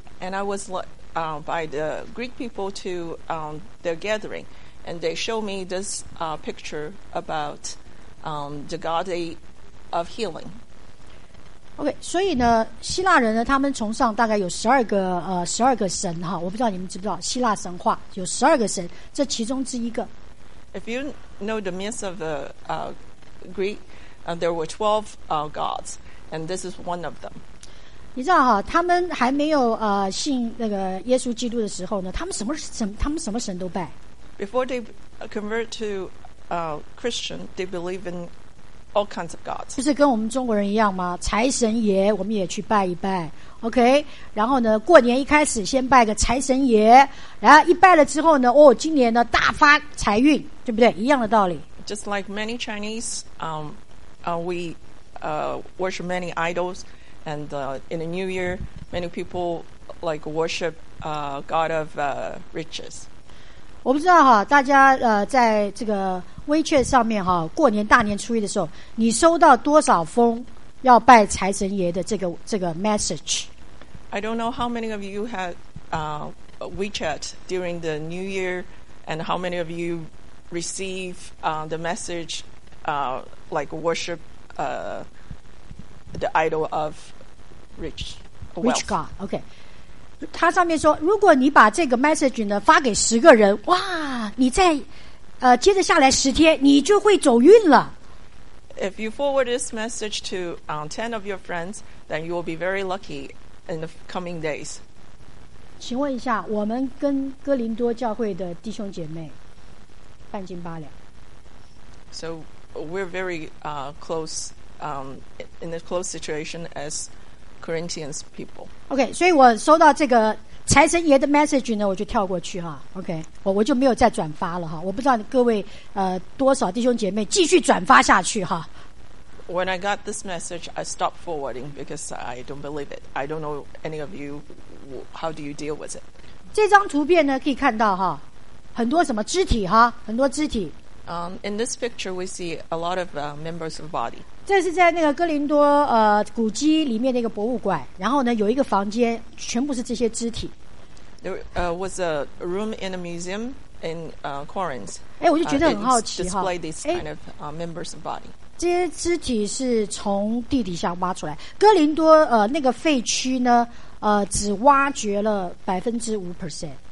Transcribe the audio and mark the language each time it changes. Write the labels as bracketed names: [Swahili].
[English] By the Greek people to their gathering, and they show me this picture about the god of healing. [Chinese] Okay, 所以呢，希腊人呢，他们崇尚大概有十二个神哈，我不知道你们知不知道，希腊神话有十二个神，这其中之一个。 [English] If you know the myths of the Greek, there were 12 gods, and this is one of them. [Chinese] 你知道哈，他们还没有信那个耶稣基督的时候呢，他们什么神都拜。 [English] Before they convert to Christian, they believe in all kinds of gods. [Chinese] 就是跟我们中国人一样吗？财神爷我们也去拜一拜 ，OK？然后呢，过年一开始先拜个财神爷，然后一拜了之后呢，哦，今年呢大发财运，对不对？一样的道理。 [English] Just like many Chinese, we worship many idols. And in the new year, many people like worship God of riches. [Chinese] 我不知道哈，大家在这个微券上面哈，过年大年初一的时候，你收到多少封要拜财神爷的这个 message? [English] I don't know how many of you had WeChat during the new year, and how many of you receive the message like worship the idol of. Rich God, OK. [Chinese] 他上面说，如果你把这个 message 呢发给十个人，哇，你再接着下来十天，你就会走运了。 [English] If you forward this message to ten of your friends, then you will be very lucky in the coming days. [Chinese] 请问一下，我们跟哥林多教会的弟兄姐妹半斤八两。 [English] So we're very close, in a close situation as Corinthians people. [Chinese] Okay, 所以我收到这个财神爷的 message 呢，我就跳过去哈。 OK， 我就没有再转发了哈。我不知道各位多少弟兄姐妹继续转发下去哈。 [English] When I got this message, I stopped forwarding because I don't believe it. I don't know any of you. How do you deal with it? [Chinese] 这张图片呢，可以看到哈，很多什么肢体哈，很多肢体。 [English] In this picture, we see a lot of members of body. [Chinese] 这是在那个哥林多古迹里面的一个博物馆，然后呢，有一个房间，全部是这些肢体。 [English] There was a room in a museum in Corinth. [Chinese] 哎，我就觉得很好奇哈。 [English] Display these kind of members of body. [Chinese] 这些肢体是从地底下挖出来。哥林多那个废墟呢，只挖掘了5%。